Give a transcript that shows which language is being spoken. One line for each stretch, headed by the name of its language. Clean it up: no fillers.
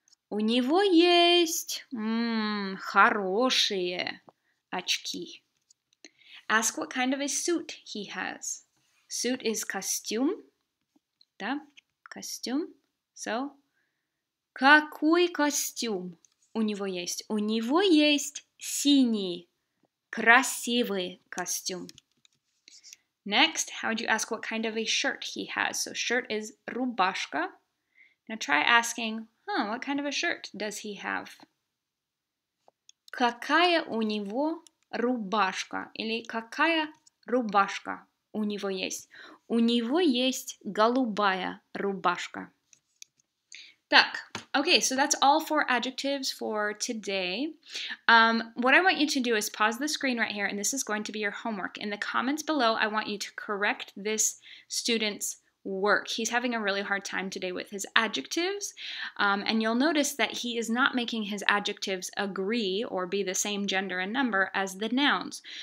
Russian: У него есть хорошие очки.
English: Ask what kind of a suit he has. Suit is costume.
Russian: Да, костюм.
English: So,
Russian: какой костюм у него есть? У него есть синий, красивый костюм.
English: Next, how would you ask what kind of a shirt he has? So, shirt is рубашка. Now try asking, what kind of a shirt does he have?
Russian: Какая у него рубашка? Или какая рубашка у него есть? У него есть голубая рубашка.
English: Так, okay, so that's all four adjectives for today. What I want you to do is pause the screen right here, and this is going to be your homework. In the comments below, I want you to correct this student's work. He's having a really hard time today with his adjectives, and you'll notice that he is not making his adjectives agree or be the same gender and number as the nouns.